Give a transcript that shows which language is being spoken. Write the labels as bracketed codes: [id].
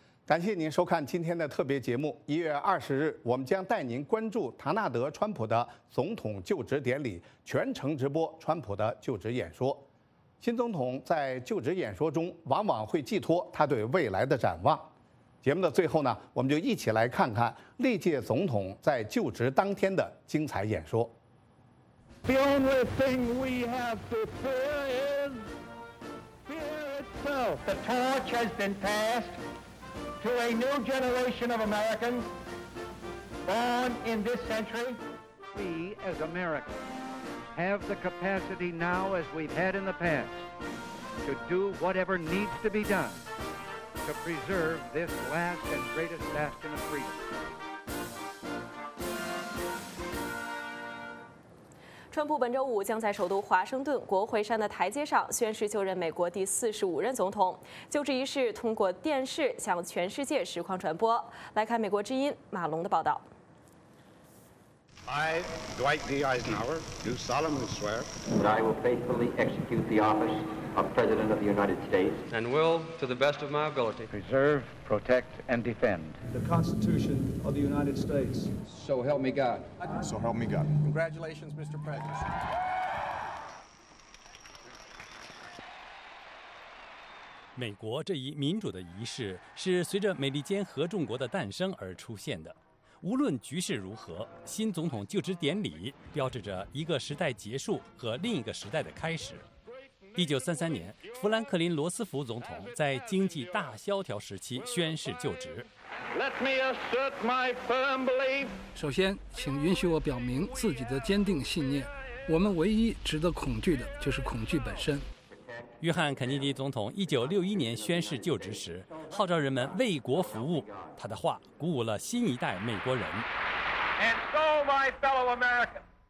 [zh] 感谢您收看今天的特别节目。1月20日，我们将带您关注唐纳德·川普的总统就职典礼，全程直播川普的就职演说。新总统在就职演说中往往会寄托他对未来的展望。节目的最后呢，我们就一起来看看历届总统在就职当天的精彩演说。 [en] The only thing we have to fear is fear itself. The torch has been passed to a new generation of Americans born in this century. We, as Americans, have the capacity now, as we've had in the past, to do whatever needs to be done to preserve this last and greatest bastion of freedom. [zh] 川普本周五将在首都华盛顿国会山的台阶上宣誓就任美国第45任总统，就职仪式通过电视向全世界实况传播。来看美国之音马龙的报道。 [en] I, Dwight D. Eisenhower, do solemnly swear that I will faithfully execute the office of President of the United States and will, to the best of my ability, preserve, protect, and defend the Constitution of the United States. So help me God. So help me God. Congratulations, Mr. President. [zh] 美国这一民主的仪式是随着美利坚合众国的诞生而出现的。无论局势如何，新总统就职典礼标志着一个时代结束和另一个时代的开始。 1933年，富兰克林·罗斯福总统在经济大萧条时期宣誓就职。 [en] Let me assert my firm belief. [zh] 首先，请允许我表明自己的坚定信念。我们唯一值得恐惧的就是恐惧本身。约翰·肯尼迪总统1961年宣誓就职时，号召人们为国服务。他的话鼓舞了新一代美国人。 [en] And so, my fellow Americans.